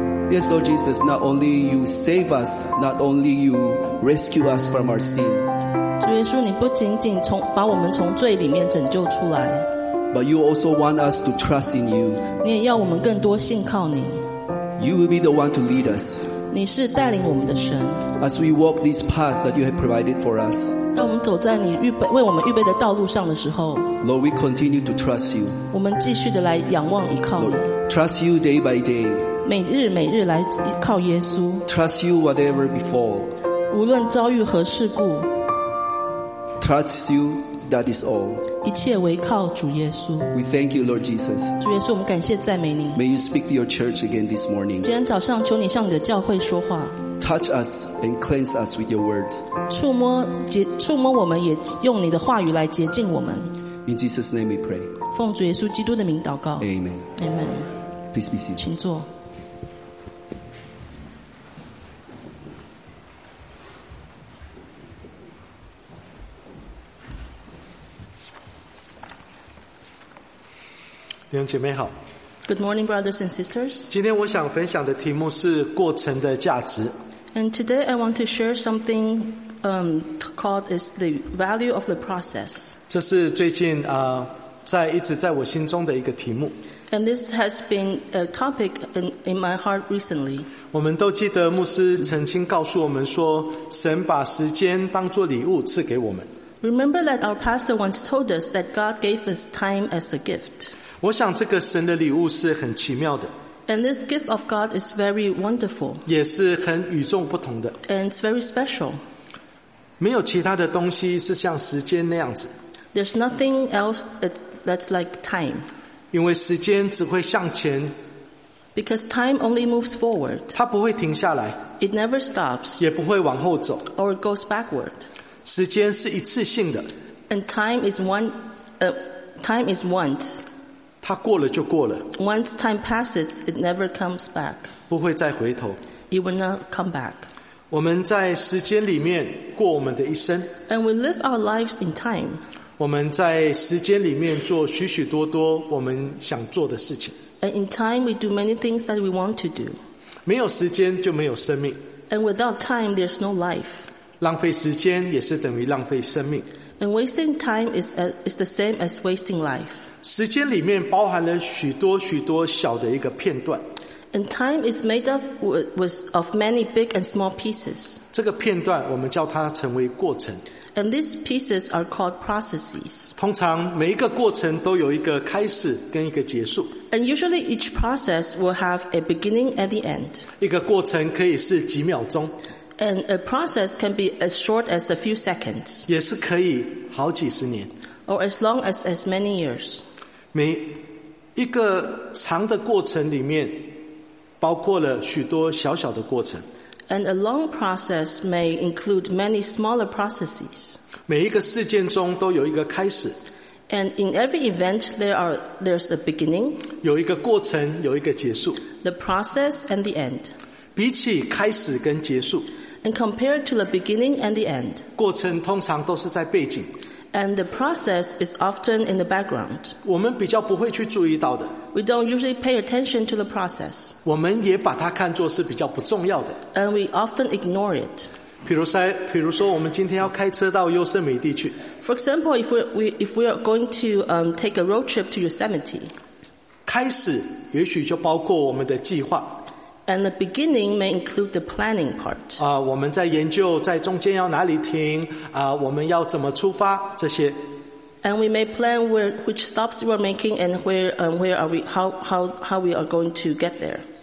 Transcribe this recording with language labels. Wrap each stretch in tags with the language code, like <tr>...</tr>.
<en>Yes, Lord Jesus, not only you save us, not only you rescue us from our sin.</en> <zh>主耶稣，你不仅仅从把我们从罪里面拯救出来。</zh> <en>But you also want us to trust in you.</en> <zh>你也要我们更多信靠你。</zh> <en>You will be the one to lead us.</en> <zh>你是带领我们的神。</zh> <en>As we walk this path that you have provided for us.</en> <zh>当我们走在你预备为我们预备的道路上的时候。</zh> <en>Lord, we continue to trust you.</en> <zh>我们继续的来仰望依靠你。</zh> <en>Trust you day by day.</en> <zh>每日每日来依靠耶稣。</zh> <en>Trust you whatever befall.</en> <zh>无论遭遇何事故。</zh> <en>Trust you, that is all.</en> <zh>一切唯靠主耶稣。</zh> <en>We thank you, Lord Jesus.</en> <zh>主耶稣，我们感谢赞美你。</zh> <en>May you speak to your church again this morning.</en> <zh>今天早上求你向你的教会说话。</zh> <en>Touch us and cleanse us with your words.</en> <zh>触摸我们，也用你的话语来洁净我们。</zh> <en>In Jesus' name we pray.</en> <zh>奉主耶稣基督的名祷告。</zh> <en>Amen. Amen. Please be seated.</en> <zh>请坐。弟兄姐妹好。</zh> <en>Good morning, brothers and sisters.</en> <zh>今天我想分享的题目是过程的价值。</zh> <en>And today I want to share something, called is the value of the process.</en> <zh>这是最近在一直在我心中的一个题目。</zh> <en>And this has been a topic in my heart recently.</en> <zh>我们都记得牧师曾经告诉我们说，神把时间当作礼物赐给我们。</zh> <en>Remember that our pastor once told us that God gave us time as a gift.</en> <zh>我想这个神的礼物是很奇妙的。</zh> <en>And this gift of God is very wonderful.</en> <zh>也是很与众不同的。</zh> <en>And it's very special.</en> <zh>没有其他的东西是像时间那样子。</zh> <en>There's nothing else that's like time.</en> <zh>因为时间只会向前。</zh> <en>Because time only moves forward.</en> <zh>它不会停下来。</zh> <en>It never stops.</en> <zh>也不会往后走。</zh> <en>Or it goes backward.</en> <zh>时间是一次性的。</zh> <en>And time is once.</en> <zh>它过了就过了。</zh> <en>Once time passes, it never comes back.</en> <zh>不会再回头。</zh> <en>It will not come back.</en> <zh>我们在时间里面过我们的一生。</zh> <en>And we live our lives in time.</en> <zh>我们在时间里面做许许多多我们想做的事情。</zh> <en>And in time, we do many things that we want to do.</en> <zh>没有时间就没有生命。</zh> <en>And without time, there's no life.</en> <zh>浪费时间也是等于浪费生命。</zh> <en>And wasting time is the same as wasting life.</en> <zh>时间里面包含了许多许多小的一个片段。</zh> <en>And time is made up with of many big and small pieces.</en> <zh>这个片段我们叫它成为过程。</zh> <en>And these pieces are called processes.</en> <zh>通常每一个过程都有一个开始跟一个结束。</zh> <en>And usually each process will have a beginning and the end.</en> <zh>一个过程可以是几秒钟。</zh> <en>And a process can be as short as a few seconds.</en> <zh>也是可以好几十年。</zh> <en>Or as long as many years.</en> <zh>每一个长的过程里面包括了许多小小的过程。</zh> <en>And a long process may include many smaller processes.</en> <zh>每一个事件中都有一个开始。</zh> <en>And in every event, there's a beginning.</en> <zh>有一个过程，有一个结束。</zh> <en>The process and the end.</en> <zh>比起开始跟结束。</zh> <en>And compared to the beginning and the end.</en> <zh>过程通常都是在背景。</zh> <en>And the process is often in the background.</en> <zh>我们比较不会去注意到的。</zh> <en>We don't usually pay attention to the process.</en> <zh>我们也把它看作是比较不重要的。</zh> <en>And we often ignore it.</en> <zh>比如说我们今天要开车到优胜美地去。</zh> <en>For example, if we are going to take a road trip to Yosemite.</en> <zh>开始也许就包括我们的计划。</zh> <en>And the beginning may include the planning part.</en> <zh>我们在研究在中间要哪里停，我们要怎么出发这些。</zh> <en>And we may plan which stops we're making and where are we, how we are going to get there.</en>